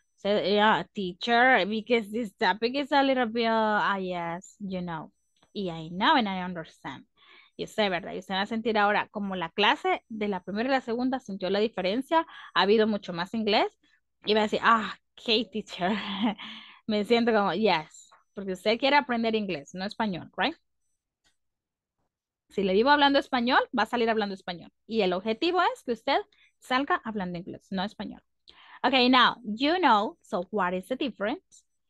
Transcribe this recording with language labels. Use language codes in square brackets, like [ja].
[en] So, yeah, teacher, because this topic is a little bit, yes, you know, yeah, I know and I understand. [es] Y usted, ¿verdad? Y usted va a sentir ahora como la clase de la primera y la segunda sintió la diferencia. Ha habido mucho más inglés. Y va a decir, ah, okay, teacher. Me siento como, yes. Porque usted quiere aprender inglés, no español, right? Si le digo hablando español, va a salir hablando español. Y el objetivo es que usted salga hablando inglés, no español. [en] Okay, now, you know, so what is the difference?